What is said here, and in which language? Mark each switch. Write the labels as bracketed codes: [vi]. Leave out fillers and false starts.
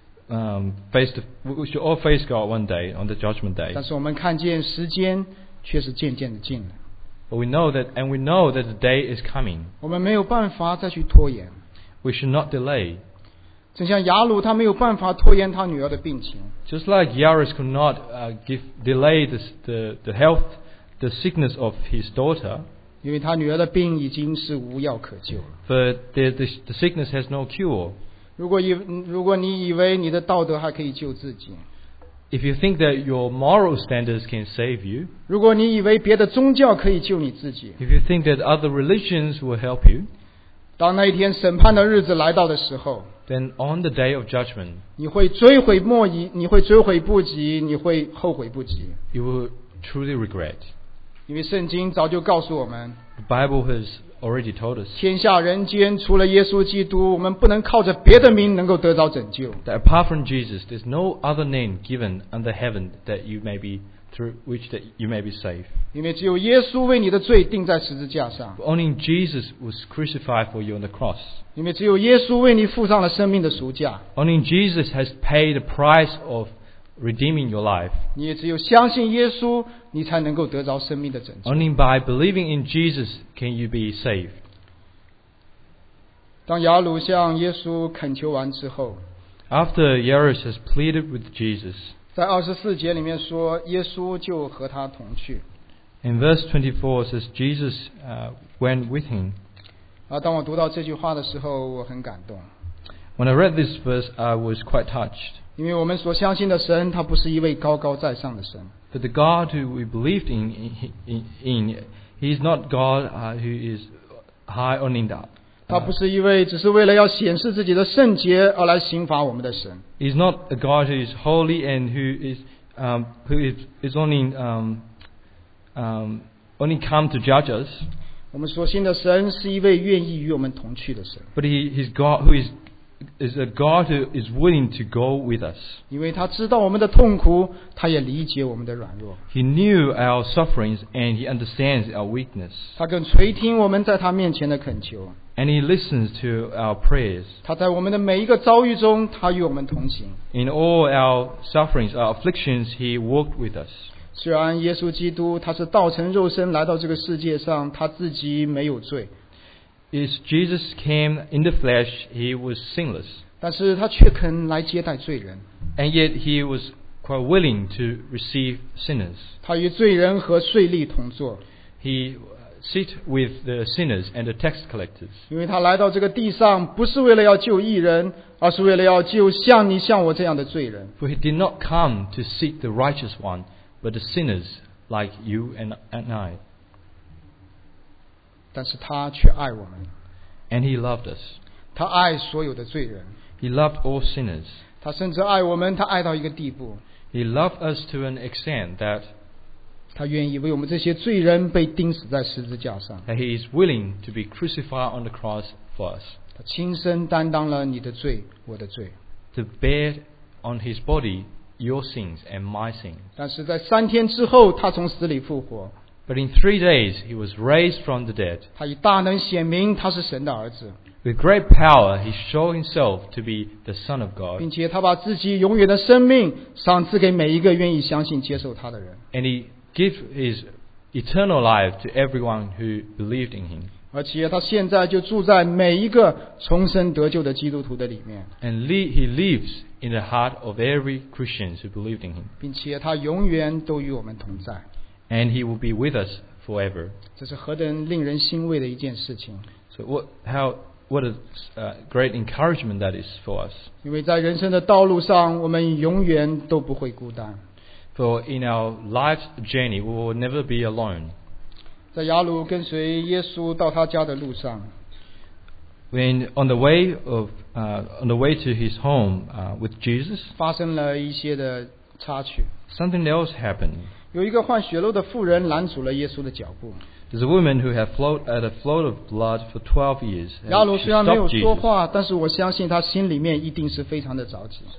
[en] we should all face God one day on the judgment day. [zh] 但是我们看见时间却是渐渐的近了。 [en] But we know that the day is coming. [zh] 我们没有办法再去拖延。 [en] We should not delay. [zh] 正像雅鲁，他没有办法拖延他女儿的病情。 [en] Just like Jairus could not delay the health, the sickness of his daughter. [zh] 因为他女儿的病已经是无药可救了。 [en] For the sickness has no cure. [zh] 如果你以为你的道德还可以救自己。 [en] If you think that your moral standards can save you. [zh] 如果你以为别的宗教可以救你自己。 [en] If you think that other religions will help you. [zh] 当那一天审判的日子来到的时候。 [en] Then on the day of judgment, [zh] 你会追悔不及，你会后悔不及。 [en] You will truly regret. [zh] 因为圣经早就告诉我们。 [en] The Bible has already told us. [zh] 天下人间除了耶稣基督，我们不能靠着别的名能够得到拯救。 [en] That apart from Jesus, there's no other name given under heaven that you may be through which that you may be saved. [zh] 因为只有耶稣为你的罪钉在十字架上。 [en] But only Jesus was crucified for you on the cross. [zh] 因为只有耶稣为你付上了生命的赎价。 [en] Only Jesus has paid the price of redeeming your life. [zh] 你只有相信耶稣，你才能够得着生命的拯救。 [en] Only by believing in Jesus can you be saved. [zh] 当雅鲁向耶稣恳求完之后 [en] ，After Jairus has pleaded with Jesus， [zh] 在二十四节里面说，耶稣就和他同去。 [en] In verse 24 says Jesus went with him. [zh] 当我读到这句话的时候，我很感动。 [en] When I read this verse, I was quite touched. [zh] 因为我们所相信的神，他不是一位高高在上的神。 [en] But the God who we believed in, he is not God who is high on in that. [zh] 他不是一位只是为了要显示自己的圣洁而来刑罚我们的神。 [en] He's not a God who is holy and who is only come to judge us. [zh] 我们所信的神是一位愿意与我们同去的神。 [en] But he's God who is a God who is willing to go with us. [zh] 因为他知道我们的痛苦，他也理解我们的软弱。 [en] He knew our sufferings and he understands our weakness. [zh] 他更垂听我们在他面前的恳求。 [en] And he listens to our prayers. [zh] 他在我们的每一个遭遇中，他与我们同行。 [en] In all our sufferings, our afflictions, he walked with us. [zh] 虽然耶稣基督他是道成肉身来到这个世界上，他自己没有罪。 [en] If Jesus came in the flesh, he was sinless. [zh] 但是他却肯来接待罪人。 [en] And yet he was quite willing to receive sinners. [zh] 他与罪人和税吏同坐。 [en] He sit with the sinners and the tax collectors. [zh] 因为他来到这个地上不是为了要救义人，而是为了要救像你像我这样的罪人。 [en] For he did not come to seek the righteous one. But the sinners like you and I. [zh] 但是他却爱我们。 [en] And he loved us. [zh] 他爱所有的罪人。 [en] He loved all sinners. [zh] 他甚至爱我们，他爱到一个地步。 [en] He loved us to an extent that. [zh] 他愿意为我们这些罪人被钉死在十字架上。 [en] That he is willing to be crucified on the cross for us. [zh] 他亲身担当了你的罪，我的罪。 [en] To bear on his body. Your sins and my sins. [zh] 但是在三天之后，他从死里复活。 [en] But in 3 days, he was raised from the dead. [zh] 他以大能显明他是神的儿子。 [en] With great power, he showed himself to be the Son of God. [zh] 并且他把自己永远的生命赏赐给每一个愿意相信接受他的人。 [en] And he gave his eternal life to everyone who believed in him. [zh] 而且他现在就住在每一个重生得救的基督徒的里面。 [en] And he lives in the heart of every Christian who believed in him. [zh] 并且他永远都与我们同在。 [en] And he will be with us forever. [zh] 这是何等令人欣慰的一件事情。 [en] So what a great encouragement that is for us. [zh] 因为在人生的道路上，我们永远都不会孤单。 [en] For in our life's journey, we will never be alone. [zh] 在雅鲁跟随耶稣到他家的路上 [en] ，when on the way of on the way to his home with Jesus， [zh] 发生了一些的插曲。 [en] Something else happened。 [zh] 有一个患血漏的妇人拦阻了耶稣的脚步。 [en] There's a woman who had a flow of blood for 12 years。 [zh] 雅鲁虽然没有说话，但是我相信他心里面一定是非常的着急。